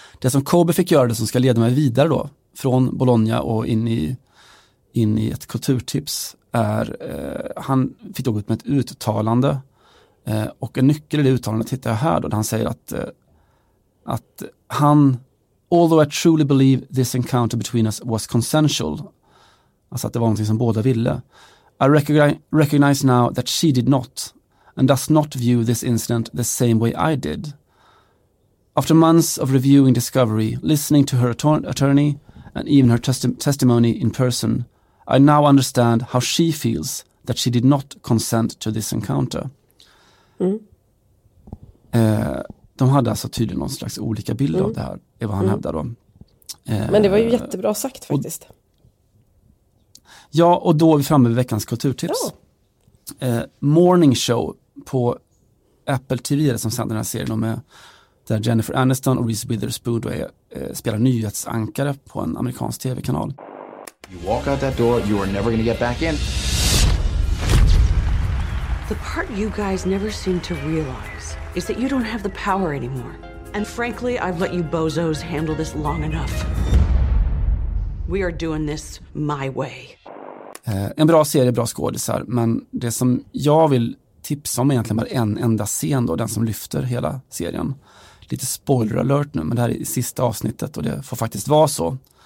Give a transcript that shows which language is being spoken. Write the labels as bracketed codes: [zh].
[sv] Det som Kobe fick göra, det som ska leda mig vidare då, från Bologna och in i ett kulturtips, är han fick då gå ut med ett uttalande, och en nyckel i det uttalandet hittar jag här då, där han säger att han, [en] although I truly believe this encounter between us was consensual, [sv] alltså att det var någonting som båda ville, [en] I recognize now that she did not and does not view this incident the same way I did. After months of reviewing discovery, listening to her attorney and even her testimony in person, I now understand how she feels that she did not consent to this encounter. [sv] De hade alltså tydligen någon slags olika bild av det här, är vad han hävdade då. Men det var ju jättebra sagt faktiskt. Ja, och då är vi framme vid veckans kulturtips. Morning Show på Apple TV, som sänder den här serien med, där Jennifer Aniston och Reese Witherspoon spelar nyhetsankare på en amerikansk tv-kanal. [en] You walk out that door, you are never gonna get back in. The part you guys never seem to realize is that you don't have the power anymore. And frankly, I've let you bozos handle this long enough. We are doing this my way. [sv] En bra serie, bra skådisar, men det som jag vill tipsa om är egentligen bara en enda scen då, den som lyfter hela serien. Lite spoiler alert nu, men det här är sista avsnittet och det får faktiskt vara så.